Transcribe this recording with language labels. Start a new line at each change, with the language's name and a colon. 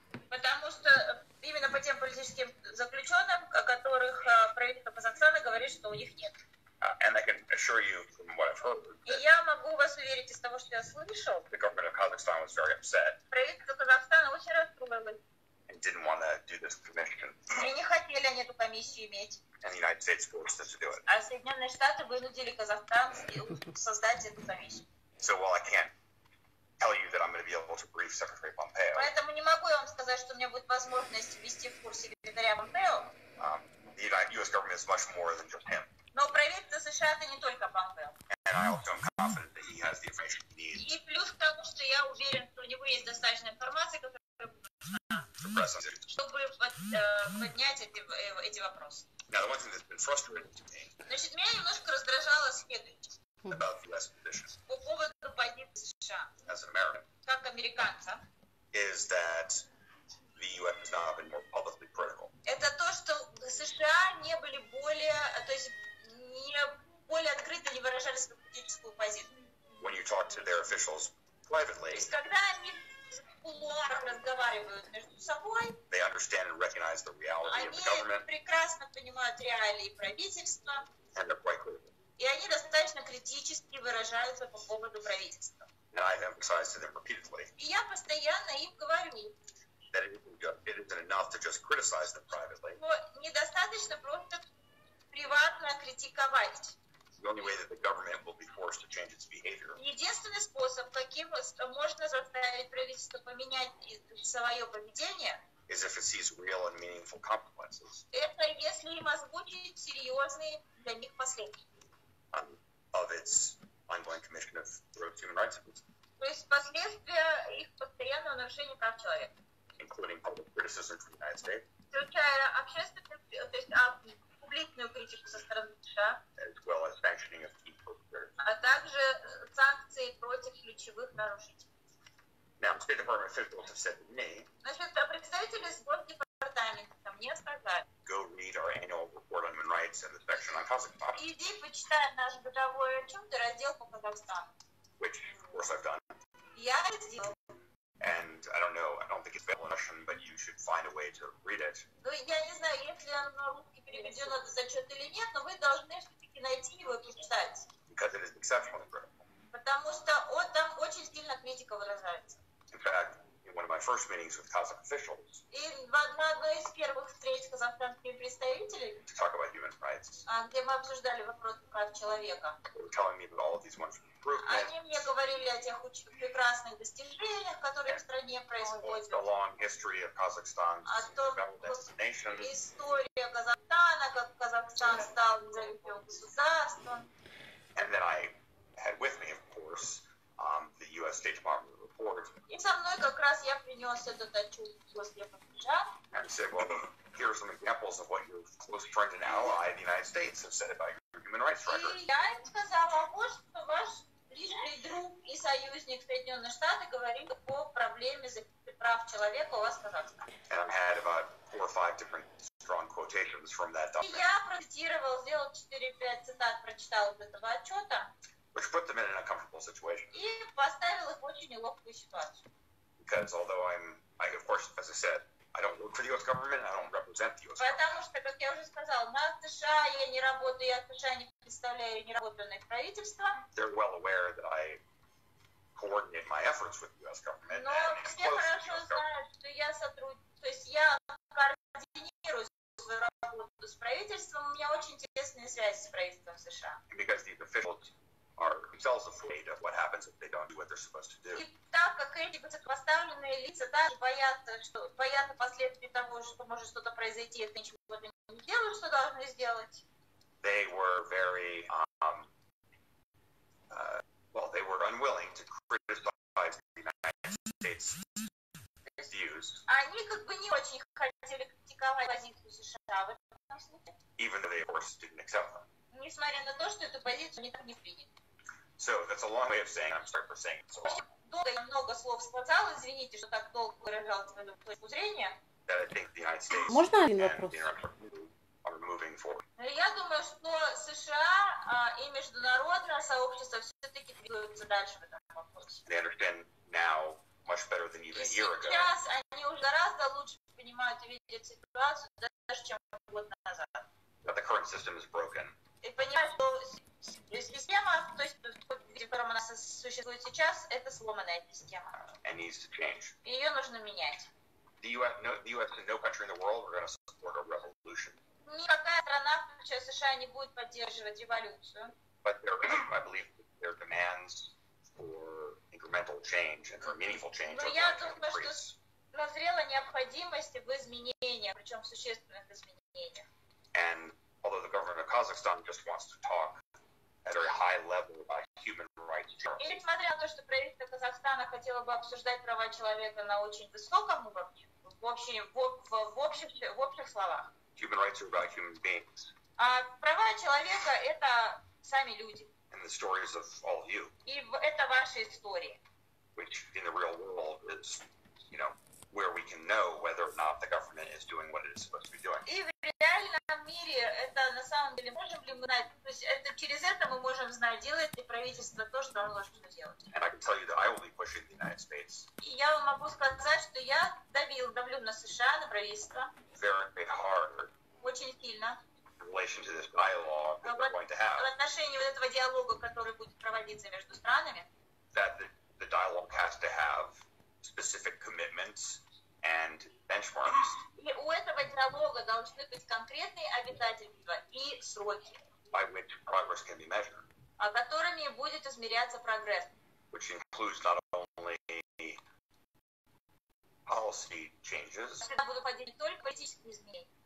Russian: Потому что именно по тем политическим заключенным, о которых правительство Казахстана говорит, что у них нет.
English: And I can assure you from what I've heard.
Russian: И я могу вас уверить из того, что я слышал.
English: The government of Kazakhstan was very upset.
Russian: Правительство Казахстана очень расстроилось.
English: And didn't want to do this commission.
Russian: И не хотели они эту комиссию иметь.
English: And the United States forced us to do it.
Russian: А Соединенные Штаты вынудили Казахстан создать эту комиссию.
English: So while I can't tell you that I'm going to be able to brief Secretary Pompeo.
Russian: Поэтому не могу я вам сказать, что у меня будет возможность ввести в курс секретаря Помпео.
English: The United U.S. government is much more than just him.
Russian: Но правительство США это не только Помпео.
English: And I also am confident that he has the information he needs.
Russian: И плюс к тому, что я уверен, что у него есть достаточно информации, которая нужна, чтобы поднять эти вопросы.
English: Now, the one thing that's been frustrating to me.
Russian: Значит, меня немножко раздражало следующее.
English: About the U.S. position.
Russian: По поводу позиции США.
English: As an American.
Russian: Как американца.
English: Is that the U.S. has not been more publicly critical.
Russian: Это то, что США не были более, то есть не более открыто не выражали свою политическую позицию.
English: When you talk to their officials privately.
Russian: То есть когда они в кулуарах разговаривают между собой.
English: They understand and recognize the reality of the government.
Russian: Они прекрасно понимают реалии правительства.
English: And they're quite critical.
Russian: И они достаточно критически выражаются по поводу правительства.
English: Now I've emphasized to them repeatedly.
Russian: И я постоянно им говорю.
English: That it isn't enough to just criticize them privately.
Russian: Но недостаточно просто приватно критиковать.
English: The only way that the government will be forced to change its behavior.
Russian: Единственный способ, каким можно заставить правительство поменять свое поведение.
English: Is if it sees real and meaningful consequences.
Russian: Это если им озвучить серьезные для них последствия.
English: Of its ongoing commission of human rights abuses.
Russian: То есть последствия их постоянного нарушения прав человека.
English: Including public criticism from the United States.
Russian: Включая общественную, то есть публичную критику со стороны США.
English: As well as sanctioning of key perpetrators.
Russian: А также санкции против ключевых нарушителей.
English: Now, State Department officials have said to me.
Russian: Значит, представители Госдепартамента мне сказали.
English: Go read our annual report on human rights and the section on Kazakhstan.
Russian: Иди почитай наш годовой отчет и раздел по Казахстану.
English: Which, of course, I've done.
Russian: Я сделал.
English: And I don't know, I don't think it's available in Russian, but you should find a way to read it.
Russian: Ну, я не знаю, если он на русский переведен на этот зачет или нет, но вы должны все-таки найти его и почитать.
English: Because it is exceptionally critical.
Russian: Потому что он там очень сильно критика выражается.
English: In fact, in one of my first meetings with Kazakh officials.
Russian: И на одной из первых встреч с казахстанскими представителями.
English: To talk about human rights.
Russian: Где мы обсуждали вопрос прав человека.
English: They were telling me about all of these wonderful improvements.
Russian: Они мне говорили о тех прекрасных достижениях, которые в стране происходят.
English: The long history of Kazakhstan as a developed destination.
Russian: История Казахстана, как Казахстан стал великим государством.
English: And then I had with me, of course, the U.S. State Department report.
Russian: И со мной как раз я принес этот отчет.
English: I said, well, here are some examples of what your close friend and ally, the United States, have said about your human rights record.
Russian: И я им сказала, что ваш ближний друг и союзник Соединенные Штаты говорит о проблеме защиты прав человека у вас в Казахстане.
English: And I had about four or five different strong quotations from that document.
Russian: И я процитировал, сделал 4-5 цитат, прочитал из этого отчета.
English: Which put them in an uncomfortable situation.
Russian: И поставил их в очень неловкую ситуацию.
English: Because although I of course, as I said, I don't work for the U.S. government, I don't represent the U.S. government.
Russian: Потому что, как я уже сказал, на США я не работаю, я в США не представляю, я не работаю на их правительство.
English: They're well aware that I coordinate my efforts with the U.S. government.
Russian: Но все хорошо знают, что я сотрудник, то есть я координирую свою работу с правительством, у меня очень тесные связи с правительством США.
English: And because these officials are themselves afraid of what happens if they don't do what they're supposed to do.
Russian: И так как эти высокопоставленные лица даже боятся последствий того, что может что-то произойти, если ничего не делают, что должны сделать.
English: They were very, they were unwilling to criticize the United States' views.
Russian: Они как бы не очень хотели критиковать позицию США в этом смысле.
English: Even though they, of course, didn't accept them.
Russian: Несмотря на то, что эту позицию они так не приняли.
English: So that's a long way of saying I'm sorry for saying it so long.
Russian: Долго я много слов сказал, извините, что так долго выражал свою точку зрения.
English: That I think the United States.
Russian: Можно один вопрос?
English: Are moving forward.
Russian: Я думаю, что США и международное сообщество все-таки двигаются дальше в этом вопросе.
English: They understand now much better than even a year ago.
Russian: Сейчас они уже гораздо лучше понимают и видят ситуацию, даже чем год назад.
English: That the current system is broken.
Russian: и понимаю, что система, то есть, в котором она существует сейчас, это сломанная система.
English: And needs to change.
Russian: Ее нужно менять. Никакая страна, включая США, не будет поддерживать революцию.
English: But there are, I believe, there are demands for incremental change and for meaningful change.
Russian: Но я думаю, что назрела необходимость в изменениях, причем в существенных изменениях.
English: And although the government of Kazakhstan just wants to talk at a very high level about human rights.
Russian: И несмотря на то, что правительство Казахстана хотело бы обсуждать права человека на очень высоком уровне, в общих словах.
English: Human rights are about human beings.
Russian: А права человека — это сами люди.
English: And the stories of all of you.
Russian: И это ваши истории.
English: Which in the real world is, you know, where we can know whether or not the government is doing what it is supposed to be doing.
Russian: И в реальном мире это на самом деле можем ли мы знать, то есть это через это мы можем знать, делает ли правительство то, что оно должно делать.
English: And I can tell you that I will be pushing the United States.
Russian: И я вам могу сказать, что я давлю на США, на правительство.
English: Very hard.
Russian: Очень сильно.
English: In relation to this dialogue that we're going to have.
Russian: В отношении вот этого диалога, который будет проводиться между странами.
English: That the dialogue has to have specific commitments and benchmarks.
Russian: И у этого диалога должны быть конкретные обязательства и сроки.
English: By which progress can be measured.
Russian: А которыми будет измеряться прогресс.
English: Which includes not only policy changes.
Russian: Когда будут входить не только политические изменения.